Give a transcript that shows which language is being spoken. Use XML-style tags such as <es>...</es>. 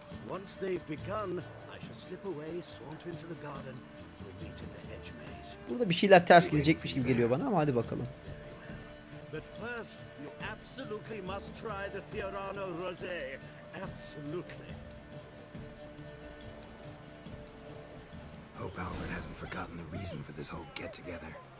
<en>Once they've begun, I shall slip away, saunter into the garden, we'll meet in the hedge maze.</en> <tr>Burada bir şeyler ters gidecekmiş gibi geliyor bana ama hadi bakalım.</tr> <en>But first, you absolutely must try the Fiorano Rosé. Absolutely. Hope Albert hasn't forgotten the reason for this whole get together.</en>